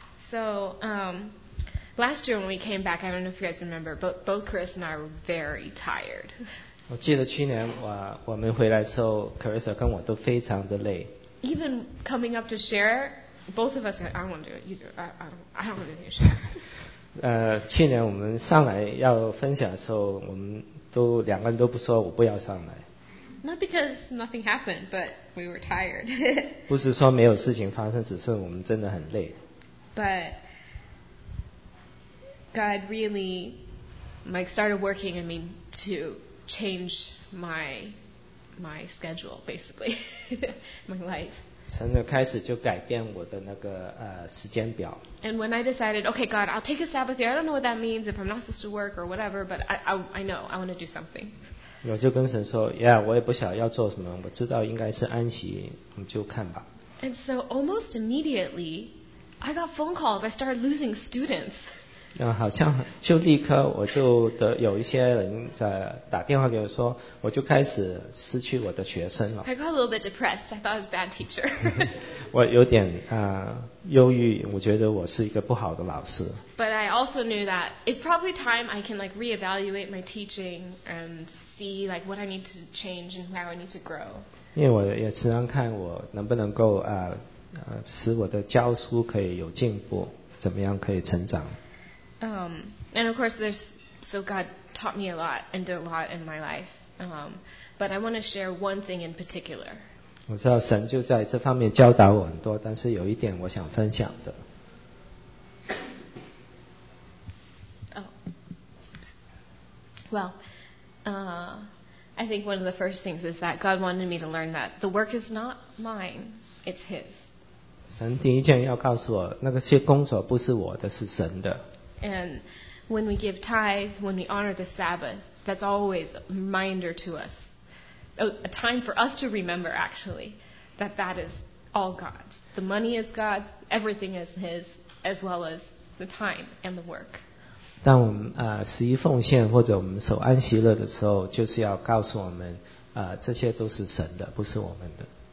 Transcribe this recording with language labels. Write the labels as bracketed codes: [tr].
[en] So last year when we came back, I don't know if you guys remember, but both Carissa and I were very tired. [zh] 我记得去年我们回来的时候 ，Carissa 跟我都非常的累。 [en] Even coming up to share, both of us, I don't want to do it. You do it. I don't want to do share. [zh] 去年我们上来要分享的时候，我们都两个人都不说我不要上来。 [en] Not because nothing happened, but we were tired. [zh] 不是说没有事情发生，只是我们真的很累。 [en] But God really like started working in me to change my schedule, basically, my life. [zh] 神就开始就改变我的那个时间表。 [en] And when I decided, okay, God, I'll take a Sabbath year. I don't know what that means if I'm not supposed to work or whatever, but I know I want to do something. [zh] 我就跟神说 ，Yeah, 我也不晓得要做什么，我知道应该是安息，我们就看吧。 [en] And so almost immediately. I got phone calls. I started losing students. [zh] 好像就立刻我就得有一些人在打电话给我说，我就开始失去我的学生了。 [en] I got a little bit depressed. I thought I was a bad teacher. [zh] 我有点忧郁，我觉得我是一个不好的老师。 [en] But I also knew that it's probably time I can like reevaluate my teaching and see like what I need to change and how I need to grow. [zh] 因为我也时常看我能不能够使我的教书可以有进步，怎么样可以成长？ [en] And of course, so God taught me a lot and did a lot in my life. But I want to share one thing in particular. [zh] 我知道神就在这方面教导我很多，但是有一点我想分享的。 [en] Well, I think one of the first things is that God wanted me to learn that the work is not mine, it's His. [zh] 神第一件要告诉我，那个些工作不是我的，是神的。 [en] And when we give tithe, when we honor the Sabbath, that's always a reminder to us, a time for us to remember actually, that that is all God's. The money is God's, everything is His, as well as the time and the work. [zh] 当我们十一奉献或者我们守安息日的时候，就是要告诉我们这些都是神的，不是我们的。